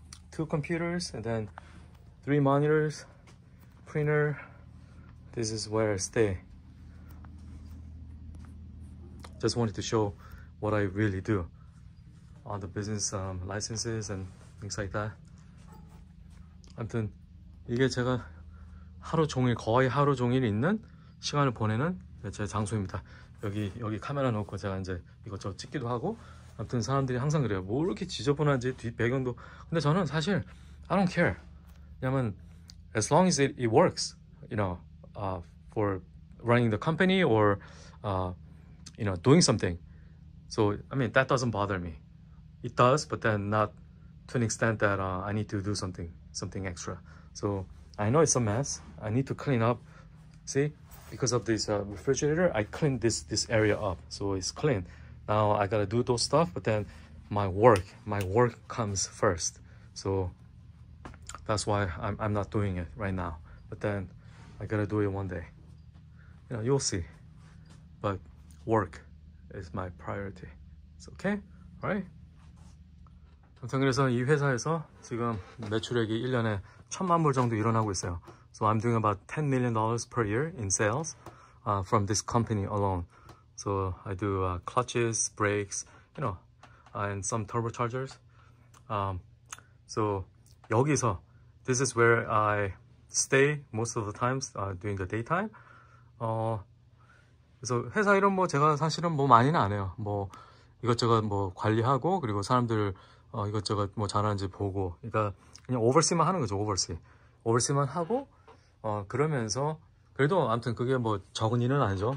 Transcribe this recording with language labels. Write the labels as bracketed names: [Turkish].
[English] Two computers and then three monitors, printer. This is where I stay. Just wanted to show what I really do. All the business licenses and things like that. [Korean] 아무튼 이게 제가 하루 종일 거의 하루 종일 있는 시간을 보내는 제 장소입니다. 여기 카메라 놓고 제가 이제 이것저것 찍기도 하고. 아무튼 사람들이 항상 그래요. 뭐 이렇게 지저분한지 뒷 배경도. 근데 저는 사실 [English] I don't care. 왜냐면 as long as it works, you know, for running the company or you know, doing something. So I mean that doesn't bother me. It does, but then not to an extent that I need to do something extra. So I know it's a mess. I need to clean up. See, because of this refrigerator, I cleaned this area up. So it's clean. Now I gotta do those stuff, but then my work comes first. So that's why I'm not doing it right now. But then I gotta do it one day. You know, you'll see. But work is my priority. It's okay, right? [Korean] 아무튼 그래서 이 회사에서 지금 매출액이 1년에 1,000만 불 정도 일어나고 있어요. [English] So I'm doing about $10 million per year in sales from this company alone. So I do clutches, brakes, you know, and some turbochargers. So [Korean] 여기서, [English] this is where I stay most of the times during the daytime. [Korean] 그래서 회사 이런 뭐 제가 사실은 뭐 많이는 안 해요. 뭐 이것저것 뭐 관리하고 그리고 사람들 이것저것 뭐 잘하는지 보고. 그러니까 그냥 오버시만 하는 거죠. 오버시만 하고 그러면서 그래도 아무튼 그게 뭐 적은 일은 아니죠.